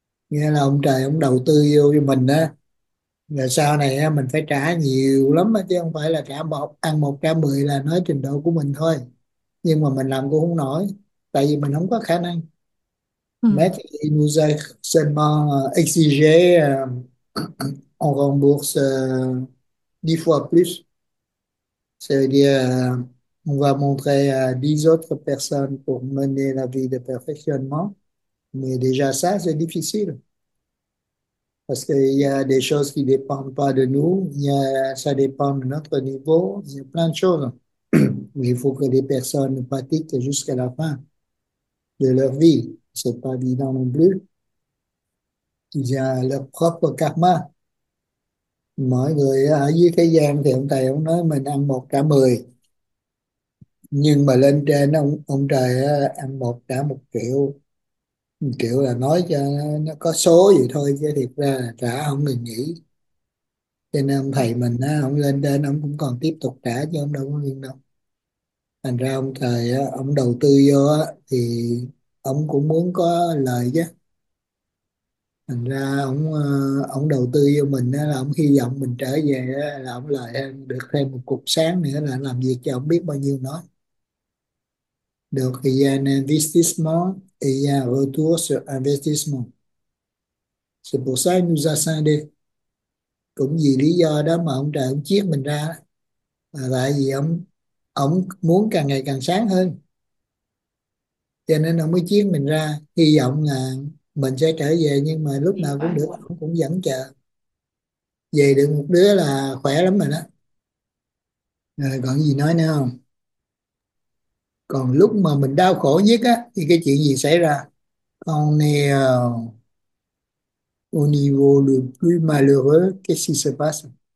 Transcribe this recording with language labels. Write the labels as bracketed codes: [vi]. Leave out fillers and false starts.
[vi] Nghĩa là ông trời ông đầu tư vô cho mình á, là sau này á mình phải trả nhiều lắm á, chứ không phải là trả một ăn một trả mười là nói trình độ của mình thôi, nhưng mà mình làm cũng không nổi tại vì mình không có khả năng. [fr] Mais il nous a seulement exigé on rembourse 10 fois plus, c'est-à-dire on va montrer à 10 autres personnes pour mener la vie de perfectionnement. Mais déjà ça, c'est difficile. Parce qu'il y a des choses qui ne dépendent pas de nous, ça dépend de notre niveau, il y a plein de choses. Il faut que les personnes pratiquent jusqu'à la fin de leur vie. Ce n'est pas évident non plus. Il y a leur propre karma. [vi] Mọi người ở dưới thế gian thì ông Thầy ông nói mình ăn một trả mười. Nhưng mà lên trên ông Trời ăn một trả 1 triệu. Kiểu là nói cho nó có số vậy thôi, chứ thiệt ra là trả không được nghỉ. Cho nên ông thầy mình á, ông lên đến ông cũng còn tiếp tục trả chứ ông đâu có yên đâu. Thành ra ông thầy á, ông đầu tư vô á, thì ông cũng muốn có lời chứ. Thành ra ông đầu tư vô mình á, là ông hy vọng mình trở về á, là ông lại được thêm một cục sáng nữa, là làm việc cho ông biết bao nhiêu nói. Được thì investissement. [fr] Et il y a un retour sur investissement. C'est pour ça qu'il nous a scindés. [vi] Cũng vì lý do đó mà ông trời ông chiết mình ra. Là tại vì ông muốn càng ngày càng sáng hơn. Cho nên ông mới chiết mình ra. Hy vọng là mình sẽ trở về, nhưng mà lúc nào cũng được, ông cũng vẫn chờ. Về được một đứa là khỏe lắm rồi đó. Rồi còn gì nói nữa không? Còn lúc mà mình đau khổ nhất á thì cái chuyện gì xảy ra? [fr] On est au niveau le plus malheureux, qu'est-ce qui se passe?